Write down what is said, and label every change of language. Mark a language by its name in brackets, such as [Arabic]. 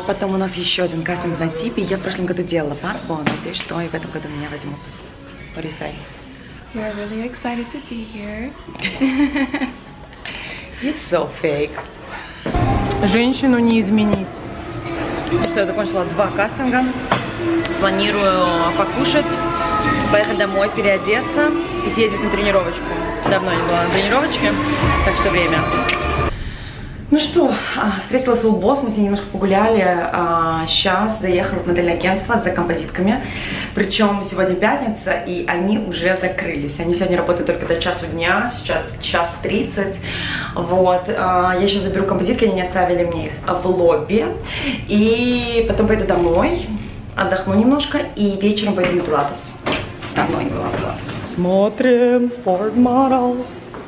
[Russian] Потом у нас еще один кастинг на Типе. Я в прошлом году делала Падбо. Надеюсь, что и в этом году меня возьмут. [English] What do you say? We're really excited to be here. You're so fake. [Russian] Женщину не изменить. Ну что, я закончила два кастинга. Планирую покушать, поехать домой, переодеться и съездить на тренировочку. Давно не была на тренировочке, так что время. Ну что, встретила свой босс, мы с ней немножко погуляли. Сейчас заехала в модельное агентство за композитками. Причем сегодня пятница, и они уже закрылись. Они сегодня работают только до часу дня, сейчас 1:30. Вот, я сейчас заберу композитки, они не оставили мне их в лобби. И потом пойду домой, отдохну немножко, и вечером пойду на пилатес. Давно не была на пилатес. Смотрим Ford Models.